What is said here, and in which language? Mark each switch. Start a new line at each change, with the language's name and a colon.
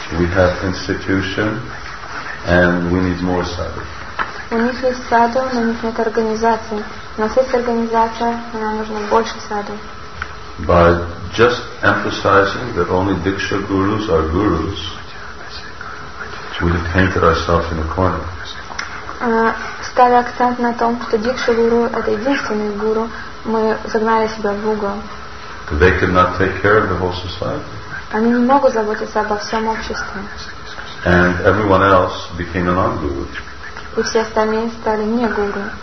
English: We have institution, and we need more sadhu.
Russian: У них есть sadhu, но у них нет организации. У нас есть организация, но нам нужно больше sadhu.
English: By just emphasizing that only Diksha gurus are gurus, we have painted ourselves in a corner.
Russian: Ставя акцент на том, что Диксха гуру это единственный гуру, мы загнали себя в угол.
English: They cannot take care of the whole society.
Russian: Они не могут заботиться обо всем обществе.
English: And everyone else became a non-guru.
Russian: И все остальные стали не гуру.